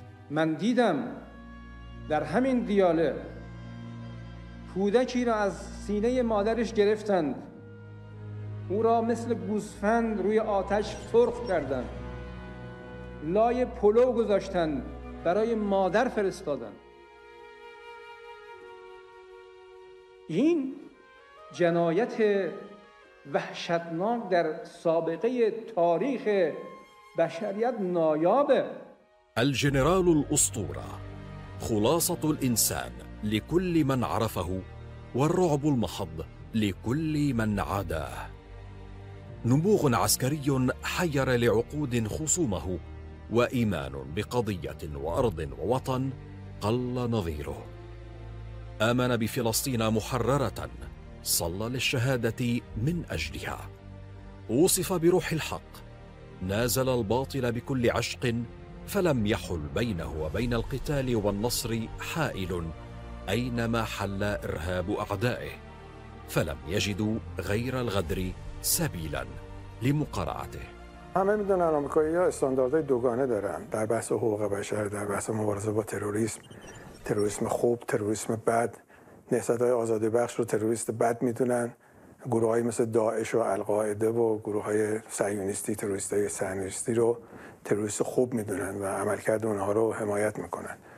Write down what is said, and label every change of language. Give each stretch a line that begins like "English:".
Persian: من دیدم در همین دیاله کودکی را از سینه مادرش گرفتند، او را مثل گوسفند روی آتش سرخ کردند، لای پلو گذاشتند، برای مادر فرستادند. این جنایت وحشتناک در سابقه تاریخ بشریت نایابه.
Arabic: الجنرال الأسطورة، خلاصة الإنسان لكل من عرفه، والرعب المحض لكل من عاداه. نبوغ عسكري حير لعقود خصومه، وإيمان بقضية وأرض ووطن قل نظيره. آمن بفلسطين محررة، صلى للشهادة من أجلها. وصف بروح الحق، نازل الباطل بكل عشق، فلم يحل بينه وبين القتال والنصر حائل أينما حل إرهاب أعدائه، فلم يجدوا غير الغدر سبيلا لمقارعته.
Persian: همه میدونن آمریکایی‌ها استانداردهای دوگانه دارن در بحث حقوق بشر، در بحث مبارزه با تروریسم، تروریسم خوب، تروریسم بد، نهضت‌های آزادی بخش رو تروریست بد میدونن، گروه‌های مثل داعش و القاعده و گروه‌های صهیونیستی، تروریست‌های صهیونیستی رو تروریست خوب میدونن و عملکرد اونها رو حمایت میکنن.